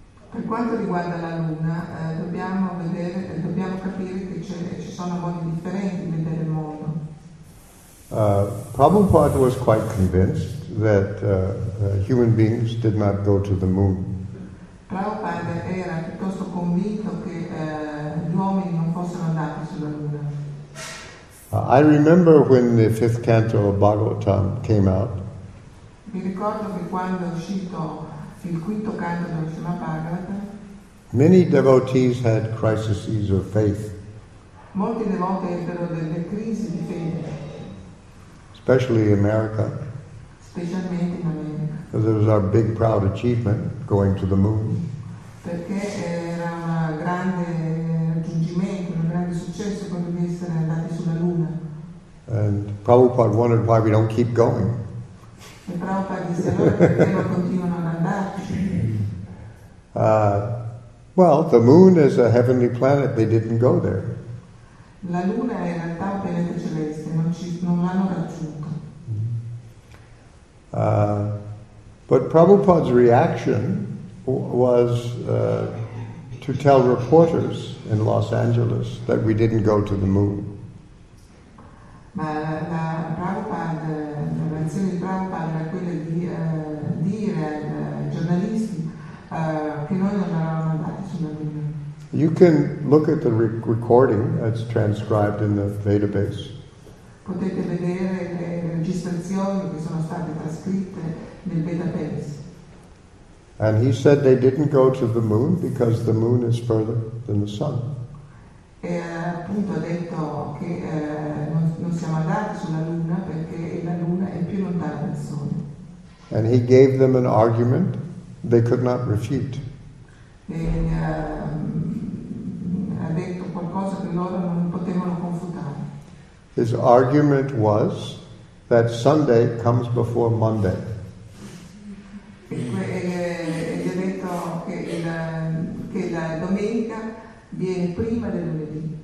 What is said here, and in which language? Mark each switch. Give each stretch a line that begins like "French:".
Italian: Per quanto riguarda la luna, dobbiamo capire che ci sono modi differenti di vedere il mondo.
English: Prabhupada was quite convinced that human beings did not go to the moon.
Italian: Prabhupada era piuttosto convinto che gli uomini non fossero andati sulla luna.
English: I remember when the fifth canto of Bhagavatam came out.
Italian: Mi ricordo che quando è uscito il quinto canto dello Srimad Bhagavatam,
English: many devotees had crises of faith.
Italian: Molti devoti ebbero delle crisi di fede.
English: Especially in America.
Italian: Specialmente in America.
English: Because it was our big, proud achievement, going to the moon.
Italian: Perché era un grande raggiungimento, un grande successo quando di essere andati sulla luna.
English: And Prabhupada wondered why we don't keep going.
Italian: E Prabhupada disse allora perché non continuano ad andarci.
English: Well, the moon is a heavenly planet. They didn't go there.
Italian: La luna è in realtà un pianeta celeste. Non l'hanno raggiunto.
English: But Prabhupada's reaction was to tell reporters in Los Angeles that we didn't go to the moon.
Italian: Ma la Prabhupada, la reazione di Prabhupada era quella di dire ai giornalisti che noi non eravamo andati sulla luna.
English: You can look at the recording that's transcribed in the database.
Italian: Potete vedere le registrazioni che sono state trascritte.
English: And he said they didn't go to the moon because the moon is further than the sun.
Italian: E appunto ha detto che non siamo andati sulla luna perché la luna è più lontana del
English: And he gave them an argument they could not refute.
Italian: Ha detto qualcosa che loro non potevano confutare.
English: His argument was that Sunday comes before Monday.
Italian: Ha detto che la domenica viene prima del lunedì.